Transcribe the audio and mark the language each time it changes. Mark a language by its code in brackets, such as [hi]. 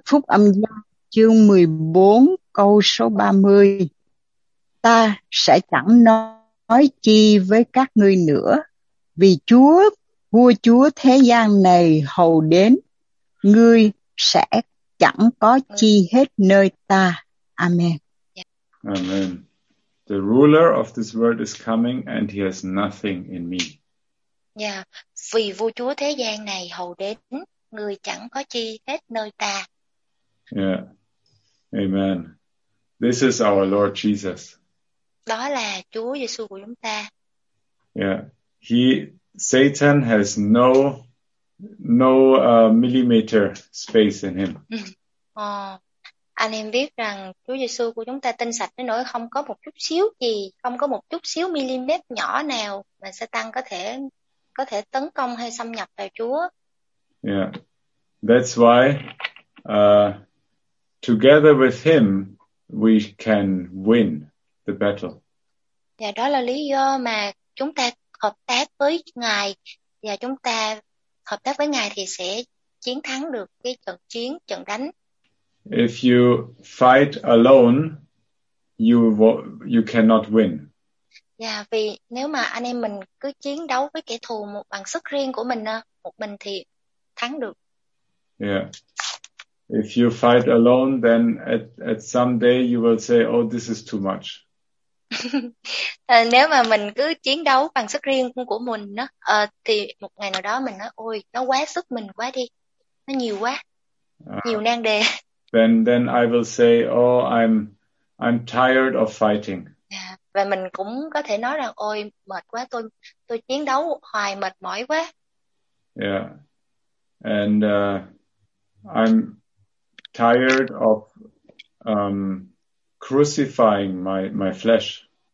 [vi] Phúc âm Giăng chương 14 câu số 30. Ta sẽ chẳng nói chi với các ngươi nữa, Vì Chúa, vua Chúa thế gian này hầu đến, ngươi sẽ chẳng có chi hết nơi ta. Amen. Amen. [en] The ruler of this world is coming and he has nothing in me. Yeah. [vi] Vì vua Chúa thế gian này hầu đến, ngươi chẳng có chi hết nơi ta. [en] Yeah. Amen. This is our Lord Jesus. [vi] Đó là Chúa Giêsu của chúng ta. [en] Yeah. He, Satan has no millimeter space in him. [vi] Anh em biết rằng Chúa Giêsu của chúng ta tinh sạch đến nỗi không có một chút xíu gì, không có một chút xíu milimét nhỏ nào mà Satan có thể tấn công hay xâm nhập vào Chúa. [en] Yeah. That's why together with him we can win the battle. [vi] Và đó là lý do mà chúng ta hợp tác với Ngài, và chúng ta hợp tác với Ngài thì sẽ chiến thắng được cái trận đánh. [en] If you fight alone, you cannot win. [vi] Yeah, vì nếu mà anh em mình cứ chiến đấu với kẻ thù một bằng sức riêng của mình, một mình thì thắng được. [en] Yeah. If you fight alone, then at some day you will say, oh, this is too much. [vi] Nếu mà mình cứ chiến đấu bằng sức riêng của mình thì một ngày nào đó mình nói, ôi, nó quá sức mình quá đi. Nó nhiều quá. Nhiều nan đề. [en] Then I will say, oh, I'm tired of fighting. [vi] Và mình cũng có thể nói rằng, ôi, mệt quá, tôi chiến đấu hoài, mệt mỏi quá. [en] Yeah. And I'm tired of crucifying my flesh.